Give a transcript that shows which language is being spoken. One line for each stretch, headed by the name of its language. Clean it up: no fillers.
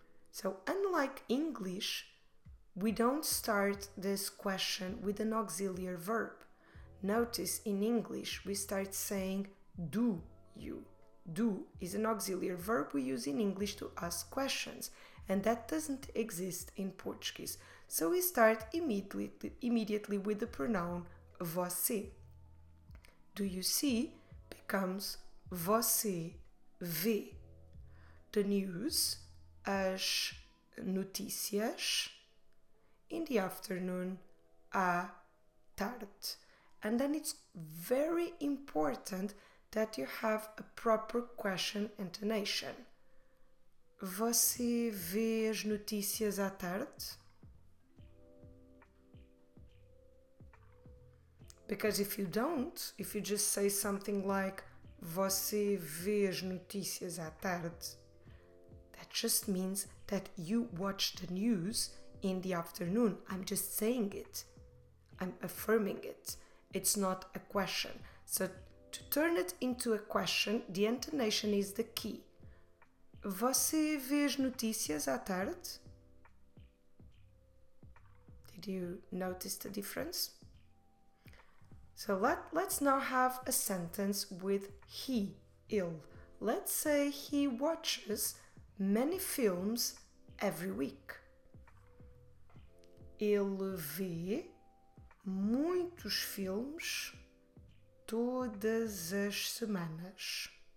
English: So, unlike English, we don't start this question with an auxiliary verb. Notice, in English, we start saying, do you. Do is an auxiliary verb we use in English to ask questions, and that doesn't exist in Portuguese. So, we start immediately with the pronoun você. Do you see becomes
Portuguese: você vê.
English: The news,
Portuguese: as notícias,
English: in the afternoon,
Portuguese: à tarde.
English: And then it's very important that you have a proper question intonation.
Portuguese: Você vê as notícias à tarde?
English: Because if you don't, if you just say something like
Portuguese: você vê as notícias à tarde,
English: that just means that you watch the news in the afternoon. I'm just saying it. I'm affirming it. It's not a question. So to turn it into a question, the intonation is the key.
Portuguese: Você vê as notícias à tarde?
English: Did you notice the difference? So let's now have a sentence with he, ill. Let's say he watches many films every week.
Portuguese: Ele vê muitos filmes todas as semanas.